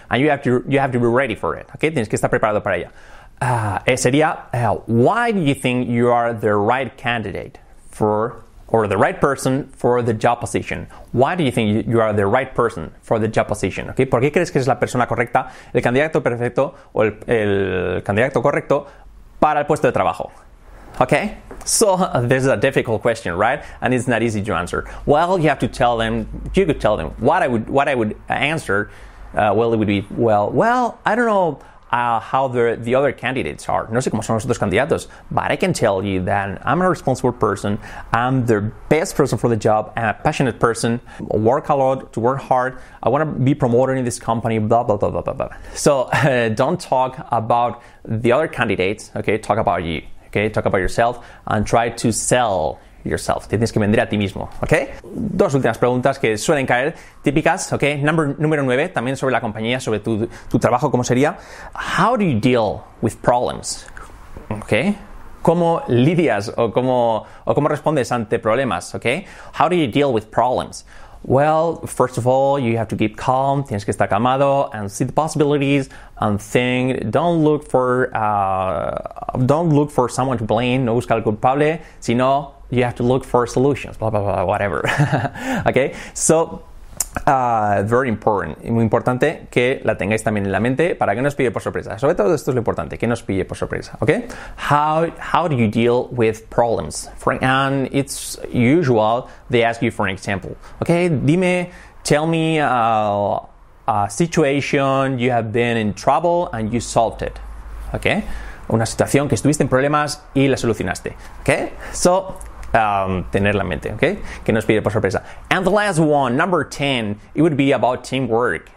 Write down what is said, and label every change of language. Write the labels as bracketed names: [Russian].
[English] And you have to be ready for it. ¿Ok? [Spanish] Tienes que estar preparado para ella. [English] Why do you think you are the right candidate for or the right person for the job position? Why do you think you are the right person for the job position? Okay? [Spanish] ¿Por qué crees que es la persona correcta, el candidato perfecto o el candidato correcto para el puesto de trabajo? [English] Okay? So, this is a difficult question, right? And it's not easy to answer. Well, you have to tell them, you could tell them what I would answer. Well, I don't know how the other candidates are. [Spanish] No sé cómo son los otros candidatos, [English] but I can tell you that I'm a responsible person, I'm the best person for the job, I'm a passionate person, work a lot, to work hard, I want to be promoted in this company, blah, blah, blah, blah, blah, blah. So don't talk about the other candidates, okay? Talk about you, okay? Talk about yourself and try to sell yourself. [Spanish] Te tienes que vender a ti mismo, okay? Dos últimas preguntas que suelen caer, típicas, okay? Número 9, también sobre la compañía, sobre tu trabajo, ¿cómo sería? [English] How do you deal with problems? Okay? [Spanish] ¿Cómo lidias o cómo respondes ante problemas, okay? [English] How do you deal with problems? Well, first of all, you have to keep calm, [Spanish] tienes que estar calmado, [English] and see the possibilities, and think, don't look for someone to blame, [Spanish] no busca al culpable, sino [English] you have to look for solutions, blah, blah, blah, whatever. Okay? So, very important. [Spanish] Muy importante que la tengáis también en la mente para que no os pille por sorpresa. Sobre todo esto es lo importante, que no os pille por sorpresa. [English] Okay? How do you deal with problems? And it's usual they ask you for an example. Okay? [Spanish] Dime, [English] tell me a situation you have been in trouble and you solved it. Okay? [Spanish] Una situación que estuviste en problemas y la solucionaste. Okay? So, tener la mente, ¿ok? Que no os pide por sorpresa. [English] And the last one, number 10, it would be about teamwork.